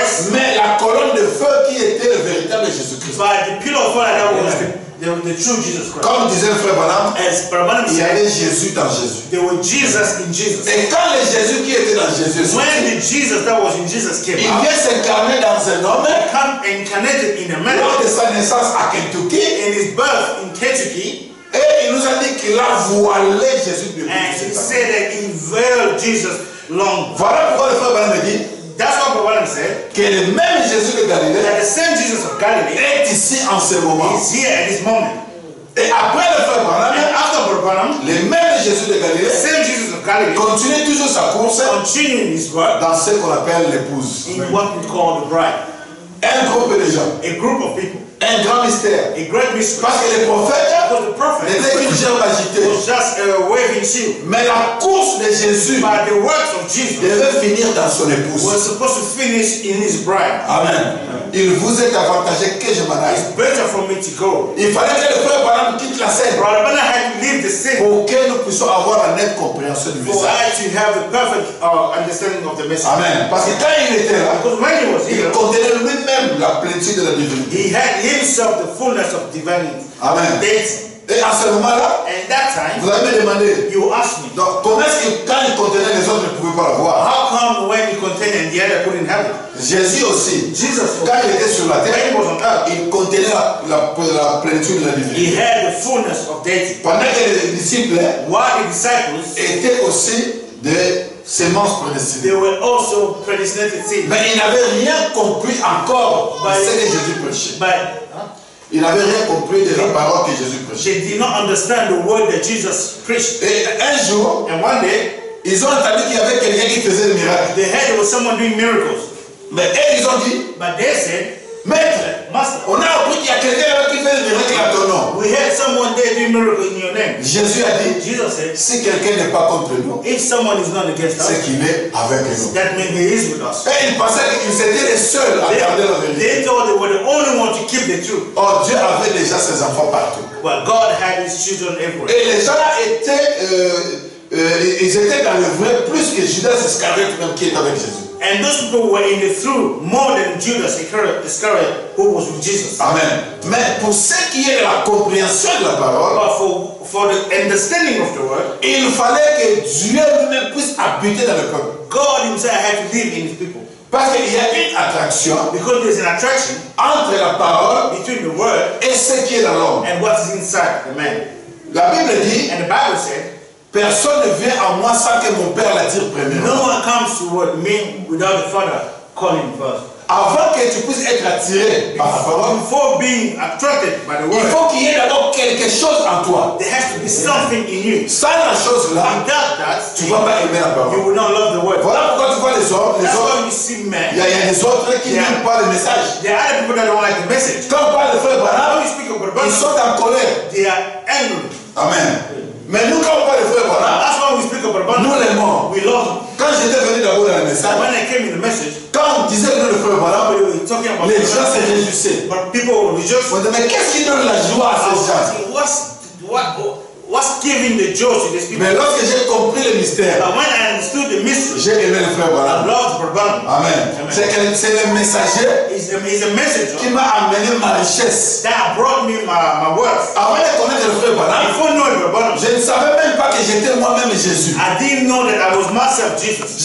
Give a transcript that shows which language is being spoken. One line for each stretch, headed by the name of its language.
French: Mais la colonne de feu qui était le véritable Jésus Christ.
English: But the pillar of fire that was the true Jesus Christ.
French: Comme disait Frère Branham,
English: as Brother Branham said,
French: il y avait Jésus dans Jésus.
English: There was Jesus in Jesus.
French: Et quand le Jésus qui était dans Jésus,
English: when the Jesus that was in Jesus came,
French: il vient s'incarner dans un homme.
English: Come incarnated in a man.
French: Lors de sa naissance à Kentucky,
English: in his birth in Kentucky.
French: Et il nous a dit qu'il a voilé Jésus de lui.
English: And he said that he veiled Jesus long.
French: Voilà pourquoi le frère Branham dit.
English: That's what Brother Branham said.
French: Que le même Jésus de Galilée.
English: That the same Jesus of Galilee.
French: Est ici en ce moment.
English: Is here at this moment.
French: Et après le frère Branham.
English: And after Brother Branham.
French: Le même Jésus de Galilée.
English: The same Jesus of Galilee.
French: Continue toujours sa course.
English: Continuing his work.
French: Dans ce qu'on appelle l'épouse.
English: In what we call the bride.
French: Un groupe de gens.
English: A group of people.
French: Un grand mystère.
English: A great mystery.
French: Parce que les prophètes n'étaient qu'une chair agitée.
English: Was just a waving shield.
French: Mais la course de Jésus,
English: by the works of Jesus,
French: devait finir dans son épouse.
English: Was supposed to finish in his bride. Amen.
French: Il vous est avantagé que je m'en aille.
English: It's better for me to go.
French: Il fallait que le frère Branham quitte la scène.
English: Brother Branham had to leave the scene.
French: Pour que nous puissions avoir la nette compréhension du message.
English: For I to have a perfect understanding of the message.
French: Amen. Parce que quand il était là,
English: because when he was here,
French: il contenait lui-même la plénitude de la divinité.
English: He had himself the fullness of divinity.
French: Amen. Et à ce moment-là,
English: and that time,
French: vous avez demandé,
English: you asked me,
French: donc, comment est-ce que quand il contenait les autres, ne pouvait pas le voir?
English: How come when he contained and the other couldn't have it?
French: Jésus aussi,
English: Jesus,
French: quand il était sur la terre,
English: when he was on earth,
French: il contenait la plénitude de la divinité.
English: He had the fullness of deity.
French: Pendant que les disciples,
English: while the disciples
French: étaient aussi des semences prédestinées.
English: They were also predestinated seeds.
French: Mais ils n'avaient rien compris encore de ce que Jésus prêchait.
English: By,
French: il n'avait rien compris de la parole que Jésus prêchait.
English: They did not understand the word that Jesus preached.
French: Et un jour,
English: and one day,
French: ils ont entendu qu'il y avait quelqu'un qui faisait des miracles.
English: They heard there was someone doing miracles.
French: Mais eux, ils ont dit,
English: but they said,
French: maître,
English: master,
French: on a appris qu'il y a quelqu'un qui fait des miracles à ton nom.
English: We heard someone there doing miracles in your name.
French: Jésus a dit,
English: Jesus said,
French: si quelqu'un n'est pas contre nous,
English: if someone is not against us,
French: c'est qu'il est avec nous.
English: That means he is with us.
French: Et ils pensaient qu'ils étaient les seuls à garder la vérité.
English: They thought they were the only ones to keep the truth.
French: Or Dieu avait déjà ses enfants partout.
English: Well, God had his children everywhere.
French: Et les gens étaient, ils étaient dans le vrai plus que Judas Iscariot même qui est avec Jésus.
English: And those people were in the truth more than Judas Iscariot, who was with Jesus. Amen.
French: Mais pour ce qui est de la compréhension de la parole,
English: but for the understanding of the word,
French: il fallait que Dieu lui-même puisse habiter dans le peuple.
English: God himself had to live in his people.
French: Parce qu'il y a une attraction,
English: because there's an attraction
French: entre la parole,
English: between the word,
French: et ce qui est dans l'homme,
English: and what is inside the man.
French: La Bible dit,
English: and the Bible said,
French: personne ne vient à moi sans que mon père l'attire premièrement.
English: No one comes toward me without the Father calling first.
French: Avant que tu puisses être attiré par la parole,
English: before being attracted by the word,
French: il faut qu'il y ait d'abord quelque chose en toi.
English: There has to be something in you.
French: Sans la chose là,
English: without that,
French: tu ne vas pas aimer la parole.
English: You will not love the word.
French: Voilà pourquoi tu vois les hommes,
English: men.
French: Il y a des autres qui n'aiment pas le message.
English: There are other people that don't like the message.
French: Quand on parle de frère Branham, ils sont en colère.
English: They are angry. Amen.
French: Mais nous, quand on parle de frère Branham,
English: that's why we speak about Branham.
French: Nous l'aimons.
English: We love him.
French: Quand j'étais venu d'abord dans le message,
English: when I came in the message,
French: quand on disait que le frère Branham,
English: we were talking about
French: les gens se réjouissaient.
English: But people were rejoicing.
French: Mais qu'est-ce qui donne la joie à ces gens?
English: What's giving the joy to these people?
French: Mais lorsque j'ai compris le mystère,
English: but when I understood the mystery,
French: j'ai aimé le frère Branham.
English: I loved Brother Branham.
French: Amen. C'est le messager,
English: he's a messenger,
French: qui m'a amené ma richesse.
English: That brought me my wealth.
French: Avant de connaître le frère Branham,
English: before knowing Brother Branham,
French: je ne savais même pas que j'étais moi-même Jésus.
English: I didn't know that I was myself Jesus.